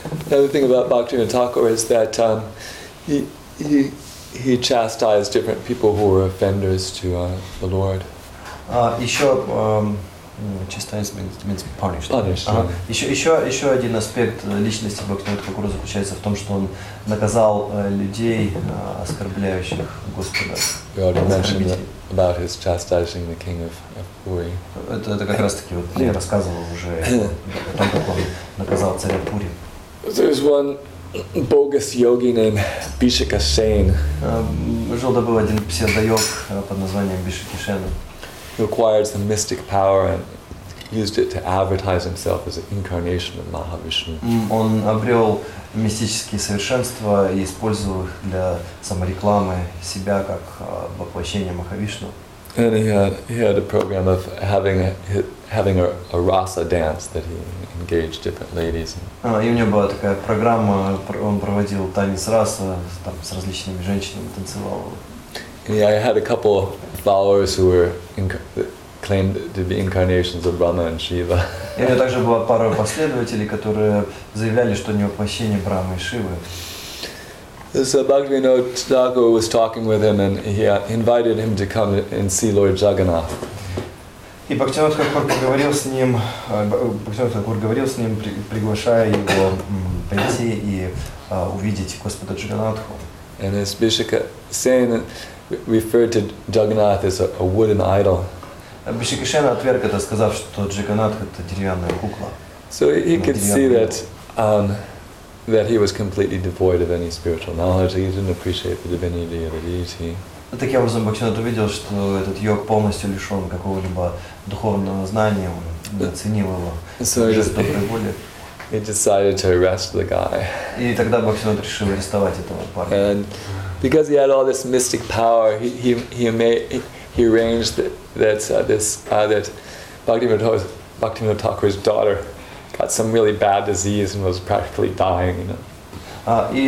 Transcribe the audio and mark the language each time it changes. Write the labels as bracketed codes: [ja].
[en] The other thing about Bhaktivinoda Thakur is that he chastised different people who were offenders to the Lord. [ru] Еще один аспект личности Бхактивинода Такура заключается в том, что он наказал людей, оскорбляющих Господа. [en] We already mentioned about his chastising the king of Puri. [ru] Это как раз таки вот я рассказывал уже о том, как он наказал царя Пури. [en] There's one bogus yogi named Bhishika Sen. [ru] Жил-был один псевдо-йог под названием Бишика Сен. [en] He acquired some mystic power and used it to advertise himself as an incarnation of Mahavishnu. [ru] Он обрел мистические совершенства и использовал их для саморекламы себя как воплощение Махавишну. [en] And he had a program of having a rasa dance that he engaged different ladies. [ru] И у него была такая программа, он проводил танец раса там с различными женщинами, танцевал. [en] Yeah, I had a couple of followers who were claimed to be incarnations of Brahma and Shiva. [ru] И у него также была пара последователей, которые заявляли, что они воплощение Брамы и Шивы. [en] So Bhaktivinoda Thakur was talking with him, and he invited him to come and see Lord Jagannath. [ru] И Бхактивинода Такур говорил с ним, приглашая его прийти и увидеть Господа Джаганнатху. [en] And as Bhishika Sen referred to Jagannath as a wooden idol. [ru] Bhishika Sen отверг это, сказав, что Джаганнатх это деревянная кукла. [en] So he could see that. That he was completely devoid of any spiritual knowledge. He didn't appreciate the divinity of the deity. [ru] Таким образом, Бхактивинода увидел, что этот йог полностью лишен какого-либо духовного знания. Он оценил его. [en] So he decided to arrest the guy. [ru] И тогда Бхактивинода решил арестовать этого парня. [en] And because he had all this mystic power, he arranged that Bhaktivinoda Thakur's daughter got some really bad disease and was practically dying, you know.